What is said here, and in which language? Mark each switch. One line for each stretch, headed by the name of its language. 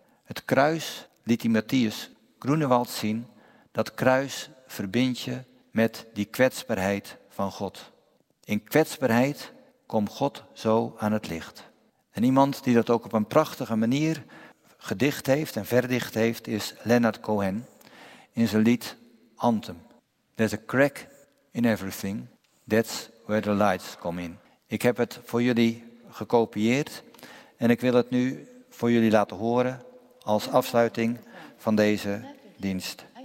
Dutch: Het kruis liet die Matthias Grunewald zien, dat kruis verbindt je met die kwetsbaarheid van God. In kwetsbaarheid komt God zo aan het licht. En iemand die dat ook op een prachtige manier gedicht heeft en verdicht heeft, is Leonard Cohen in zijn lied Anthem.
English: There's a crack in everything, that's where the lights come in.
Dutch: Ik heb het voor jullie gekopieerd en ik wil het nu voor jullie laten horen als afsluiting van deze dienst.